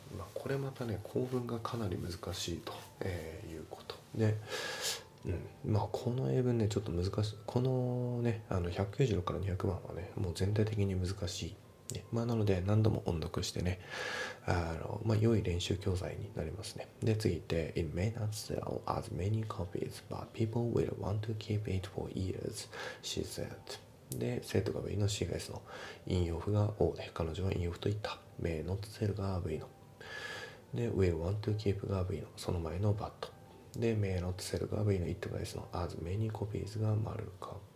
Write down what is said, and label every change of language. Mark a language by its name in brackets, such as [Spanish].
[Japanese] まあ、これまたね、構文がかなり難しいと、いうことで、まあ、この英文ね、ちょっと難しい、このね、196から200番はね、もう全体的に難しい。まあ、なので何度も音読してね、まあ、良い練習教材になりますね。で、次いて、 [English] It may not sell as many copies, but people will want to keep it for years, she said. [Japanese] で、生徒が V の C が S の、引用符が O で、彼女は引用符と言った。 [English] May not sell [Japanese] が V の。で、 [English] will want to keep [Japanese] が V の、その前の but。で、 [English] May not sell [Japanese] が V の、it が S の、 [English] as many copies [Japanese] が丸か。